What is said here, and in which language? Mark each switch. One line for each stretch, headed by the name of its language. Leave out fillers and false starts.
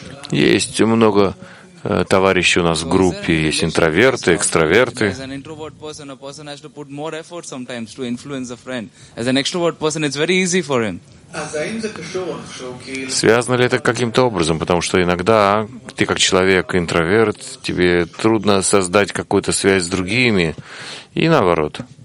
Russian: Есть много товарищи у нас в группе, есть интроверты, экстраверты.
English: As an introvert person, a person has to put more effort sometimes to influence a friend. As an extrovert person, it's very easy for him.
Russian: Связано ли это каким-то образом? Потому что иногда ты как человек интроверт, тебе трудно создать какую-то связь с другими, и наоборот.